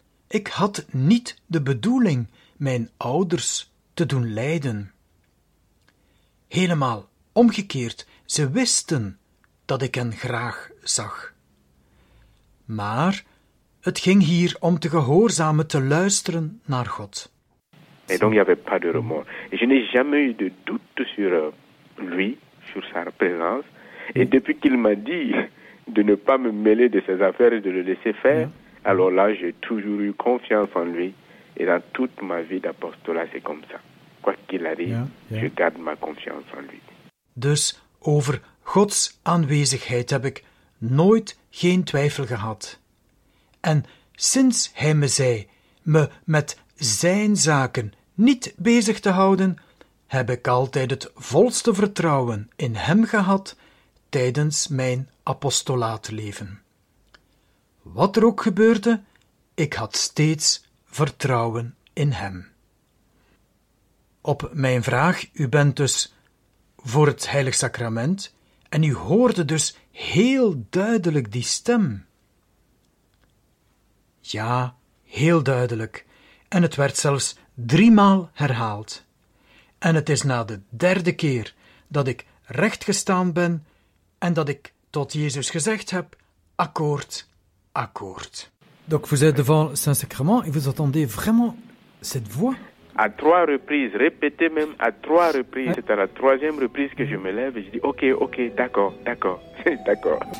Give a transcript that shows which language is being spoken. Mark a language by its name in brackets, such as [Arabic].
[Dutch] Ik had niet de bedoeling mijn ouders te doen lijden. Helemaal omgekeerd, ze wisten dat ik hen graag zag. Maar het ging hier om te gehoorzamen, te luisteren naar God. [French] Et donc il n'y avait pas de remords. Et je n'ai jamais eu de doute sur lui, sur sa présence. Et depuis qu'il m'a dit de ne pas me mêler de ses affaires et de le laisser faire, alors là j'ai toujours eu confiance en lui. Et dans toute ma vie d'apostolat, c'est comme ça. Quoi qu'il arrive, je garde ma confiance en lui. [Dutch] Dus over Gods aanwezigheid heb ik nooit geen twijfel gehad. En sinds hij me zei me met zijn zaken niet bezig te houden, heb ik altijd het volste vertrouwen in hem gehad tijdens mijn apostolaatleven. Wat er ook gebeurde, ik had steeds vertrouwen in hem. Op mijn vraag, u bent dus voor het Heilig Sacrament en u hoorde dus heel duidelijk die stem. Ja, heel duidelijk. En het werd zelfs 3 maal herhaald. En het is na de 3e keer dat ik rechtgestaan ben en dat ik tot Jezus gezegd heb, akkoord, akkoord. [French] Donc vous êtes devant Saint-Sacrement et vous entendez vraiment cette voix? À 3 reprises, répétez même à 3 reprises. C'est à la 3e reprise que je me lève et je dis ok, d'accord, d'accord.